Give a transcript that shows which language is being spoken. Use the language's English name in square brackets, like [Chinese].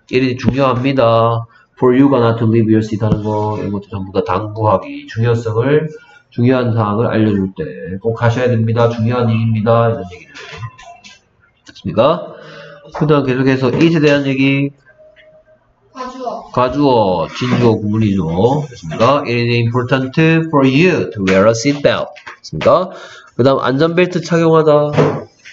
[Korean] 이게 중요합니다. [English] For you [Korean] 가 [English] not to leave your seat [Korean] 하는 거. 이런 것도 전부 다 당부하기. 중요성을, 중요한 사항을 알려줄 때 꼭 하셔야 됩니다. 중요한 일입니다. 이런 얘기를. 됐습니까? 그 다음 계속해서 is에 대한 얘기. 가주어, 진주어 구분이죠. 됐습니까? [English] It is important for you to wear a seat belt. [Korean] 됐습니까? 그 다음, 안전벨트 착용하다.